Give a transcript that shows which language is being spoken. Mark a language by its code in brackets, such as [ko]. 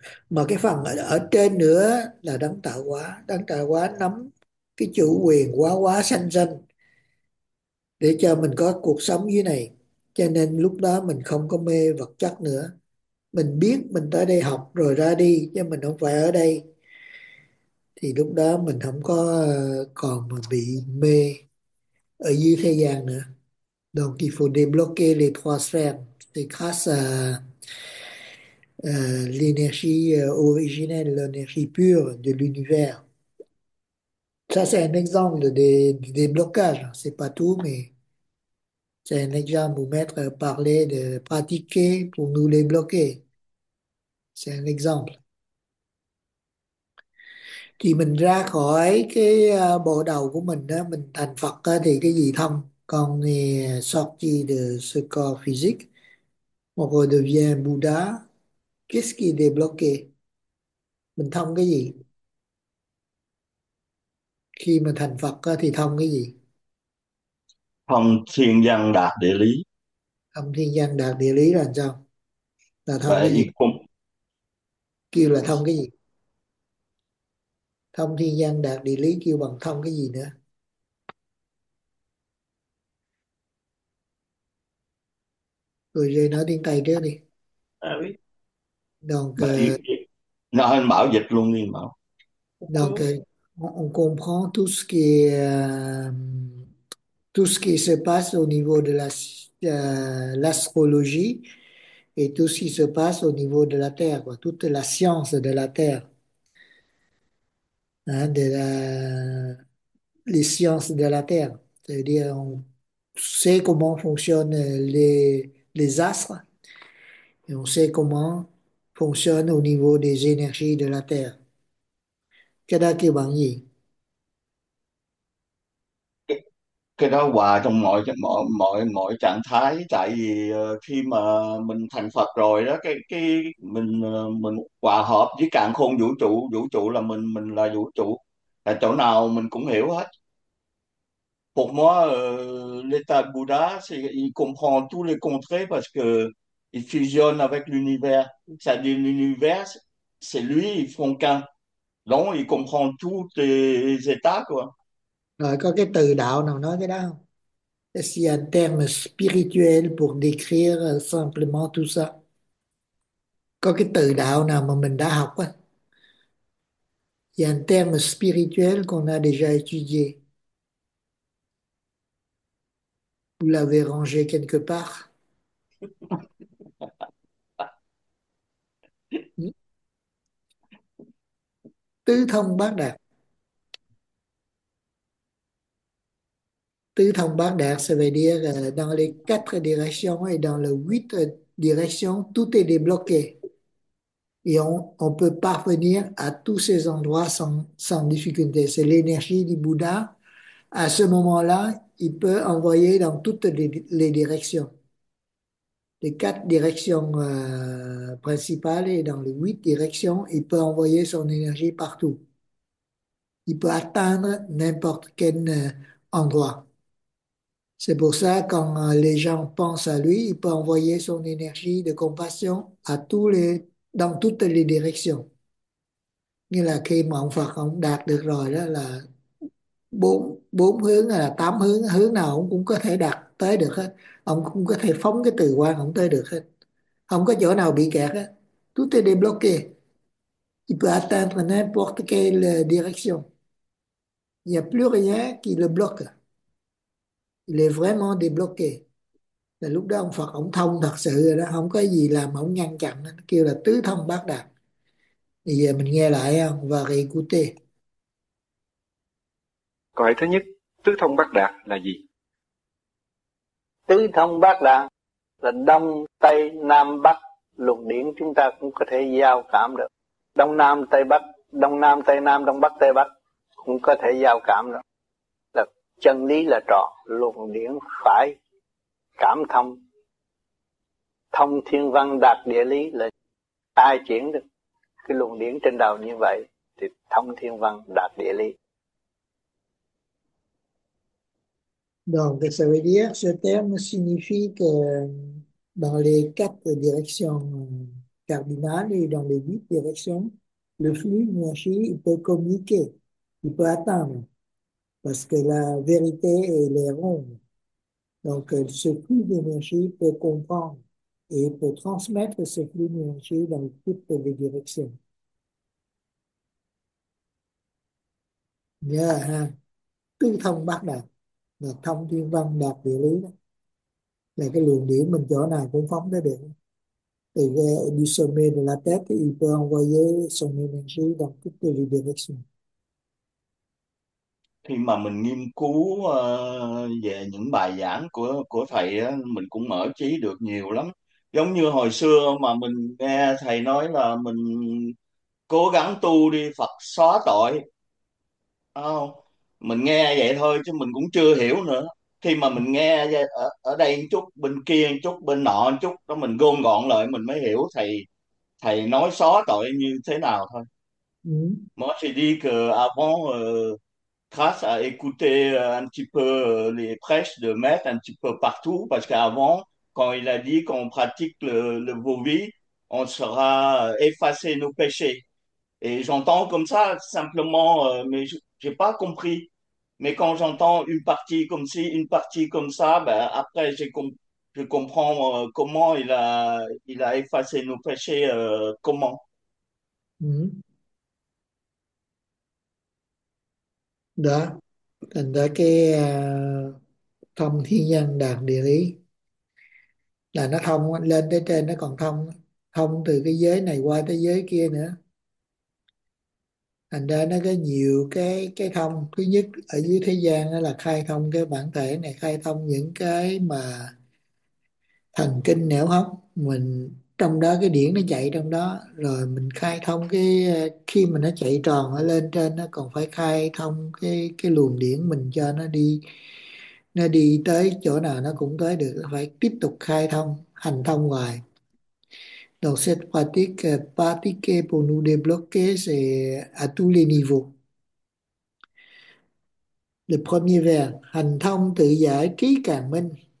[vi] Mà cái phần ở trên nữa là đấng tạo hóa, đấng tạo hóa nắm cái chủ quyền quá quá sanh sanh để cho mình có cuộc sống dưới này. Cho nên lúc đó mình không có mê vật chất nữa, mình biết mình tới đây học rồi ra đi chứ mình không phải ở đây, thì lúc đó mình không có còn bị mê ở dưới thế gian nữa. [fr] Donc il faut débloquer les trois sphères, c'est l'énergie originelle, l'énergie pure de l'univers. Ça, c'est un exemple des blocages. C'est pas tout, mais c'est un exemple pour mettre, parler, de pratiquer pour nous les bloquer. C'est un exemple. [vi] Thì mình ra khỏi cái bộ đầu của mình đó, mình thành Phật đó, thì cái gì thông? Còn thì [fr] sorti de ce corps physique, on redevient Buddha. Qu'est-ce qui est débloqué? [vi] Mình thông cái gì? Khi mà thành Phật thì thông cái gì? Thông thiên văn đạt địa lý, Thông thiên văn đạt địa lý là sao? Là thông cái vậy gì? Kêu là thông cái gì? Thông thiên văn đạt địa lý kêu bằng thông cái gì nữa? Rồi rồi nói tiếng Tây trước đi. [fr] Donc, [vi] vậy nó anh bảo dịch luôn đi bảo. [fr] on comprend tout ce qui se passe au niveau de l'astrologie et tout ce qui se passe au niveau de la Terre, quoi. Toute la science de la Terre, hein, les sciences de la Terre. C'est-à-dire, on sait comment fonctionnent les astres et on sait comment fonctionne au niveau des énergies de la Terre. [vi] Cái đó kêu bằng gì? Cái đó hòa trong mọi mọi mọi mọi trạng thái, tại vì khi mà mình thành Phật rồi đó, cái mình hòa hợp với càn khôn vũ trụ. Vũ trụ là mình là vũ trụ, là chỗ nào mình cũng hiểu hết. [fr] Pour moi, l'état Buddha, c'est il comprend tous les contrées parce que il fusionne avec l'univers. C'est-à-dire l'univers, c'est lui, il font qu'un. Donc, il comprend tous les états, quoi. [vi] Rồi có cái từ đạo nào nói cái đó không? [fr] C'est un terme spirituel pour décrire simplement tout ça. [vi] Có cái từ đạo nào mà mình đã học á? [fr] C'est un terme spirituel qu'on a déjà étudié. Vous l'avez rangé quelque part? [vi] Tứ thông bát đạt. [fr] Tứ thông bát đạt ça veut dire dans les quatre directions et dans les huit directions, tout est débloqué. Et on peut parvenir à tous ces endroits sans difficulté. C'est l'énergie du Bouddha. À ce moment-là, il peut envoyer dans toutes les directions. les quatre directions principales et dans les huit directions, il peut envoyer son énergie partout. Il peut atteindre n'importe quel endroit. C'est pour ça, quand les gens pensent à lui, il peut envoyer son énergie de compassion à tous les, dans toutes les directions. [vi] Như là khi mà ông Phật ông đạt được rồi đó là bốn bốn hướng hay là tám hướng, hướng nào ông cũng có thể đạt tới được hết, ông cũng có thể phóng cái từ quan ông tới được hết, không có chỗ nào bị kẹt hết. [fr] Tout est débloqué, il peut atteindre n'importe quelle direction, il n'y a plus rien qui le bloque, il est vraiment débloqué. [vi] Là lúc đó ông Phật ông thông thật sự rồi đó, không có gì làm ông ngăn chặn, kêu là tứ thông bát đạt. Bây giờ mình nghe lại không? [fr] Và réécouter. [vi] Câu hỏi thứ nhất, tứ thông bát đạt là gì? Tứ thông bát đạt là Đông, Tây, Nam, Bắc, lục điển chúng ta cũng có thể giao cảm được. Đông Nam, Tây Bắc, Đông Nam, Tây Nam, Đông Bắc, Tây Bắc cũng có thể giao cảm được. Là chân lý là trọn, lục điển phải cảm thông. Thông thiên văn đạt địa lý là ai chuyển được cái luồng điển trên đầu như vậy thì thông thiên văn đạt địa lý. [fr] Donc, ça veut dire, ce terme signifie que dans les quatre directions cardinales et dans les huit directions, le flux d'énergie peut communiquer, il peut atteindre, parce que la vérité, elle est ronde. Donc, ce flux d'énergie peut comprendre et peut transmettre ce flux d'énergie dans toutes les directions. Ha. [vi] Tư thông bát đạt là thông thiên văn đạt địa lý đó. Là cái luồng điển mình chỗ nào cũng phóng tới được. [fr] Từ du sommet de la tête, il peut envoyer son énergie dans toutes les directions. [vi] Khi mà mình nghiên cứu về những bài giảng của thầy á, mình cũng mở trí được nhiều lắm. Giống như hồi xưa mà mình nghe thầy nói là mình cố gắng tu đi Phật xóa tội. Không? Mình nghe vậy thôi chứ mình cũng chưa hiểu nữa. Khi mà mình nghe ở đây một chút, bên kia một chút, bên nọ một chút, đó mình gom gọn lại mình mới hiểu thầy nói xóa tội như thế nào thôi. [fr] Moi, j'ai dit que avant, grâce à écouter un petit peu les prêches de maître un petit peu partout, parce qu'avant, quand il a dit qu'on pratique le Vovi, on sera effacé nos péchés. Et j'entends comme ça simplement, mais j'ai pas compris. Mais quand j'entends une partie comme ci, une partie comme ça, ben après, je comprends comment il a effacé nos péchés, comment. [vi] Đó, thành ra cái thông thiên văn đạt địa lý là nó thông lên tới trên, nó còn thông thông từ cái giới này qua tới giới kia nữa. Thành ra nó có nhiều cái thông. Thứ nhất ở dưới thế gian đó là khai thông cái bản thể này, khai thông những cái mà thần kinh não hóc mình, trong đó cái điển nó chạy trong đó, rồi mình khai thông cái khi mà nó chạy tròn ở lên trên, nó còn phải khai thông cái luồng điển mình cho nó đi tới chỗ nào nó cũng tới được, phải tiếp tục khai thông hành thông hoài. [fr] Donc cette pratique pratiquée pour nous débloquer c'est à tous les niveaux. Le premier vers, [vi] hành thông tự giải trí càng minh.